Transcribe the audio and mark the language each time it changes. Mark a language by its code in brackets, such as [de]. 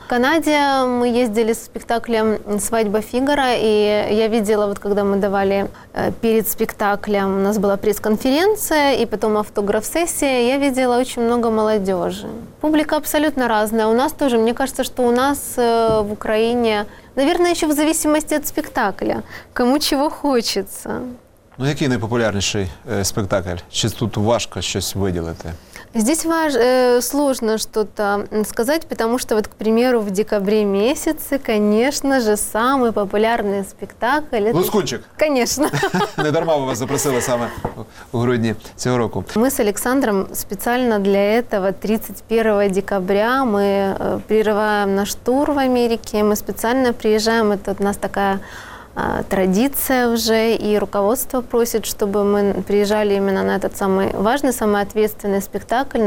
[ru] В Канаде мы ездили с спектаклем «Свадьба Фигаро», и я видела, вот когда мы давали перед спектаклем, у нас была пресс-конференция, и потом автограф-сессия, я видела очень много молодежи. Публика абсолютно разная, у нас тоже, мне кажется, что у нас в Украине, наверное, еще в зависимости от спектакля, кому чего хочется. [uk] Ну, який найпопулярніший спектакль? Чи тут важко щось виділити? [ru] Здесь сложно что-то сказать, потому что, вот, к примеру, в декабре месяце, конечно же, самый популярный спектакль... [uk] «Лускунчик»? [ru] Конечно. [uk] Недарма вас запросила саме у грудні цього року. [ru] Мы с Александром специально для этого 31 декабря мы прерываем наш тур в Америке, мы специально приезжаем, это у нас такая традиция уже, и руководство просит, чтобы мы приезжали именно на этот самый важный, самый ответственный спектакль.